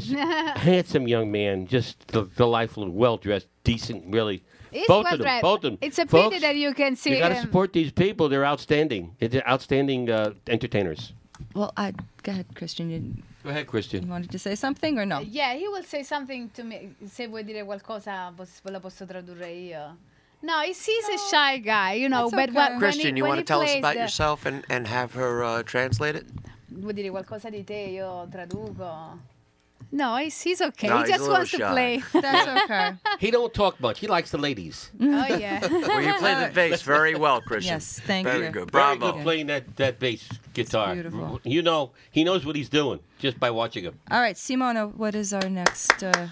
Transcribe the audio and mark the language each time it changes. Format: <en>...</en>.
<en>Handsome young man, just delightful, well-dressed, decent, really. He's both well-dressed. Of them, both of them. It's a pity folks, that you can see you gotta him. Support these people. They're outstanding. They're outstanding entertainers. Well, go ahead, Christian. Go ahead, Christian. You wanted to say something or no? Yeah, he will say something to me.</en> <it>Se vuoi dire qualcosa, ve la posso tradurre io.</it> <en>No, he's a shy guy, you know. But okay. Christian, when you want to tell us about yourself and have her translate it?</en> <it>Vuoi dire qualcosa di te, io traduco.</it> <en>No, he's okay. No, he just wants to play. That's okay. He don't talk much. He likes the ladies. Oh, yeah. Well, you play the bass very well, Christian. Yes, thank very you. Very good. Bravo. Very good playing that bass guitar. It's beautiful. You know, he knows what he's doing just by watching him. All right, Simona, what is our next...</en>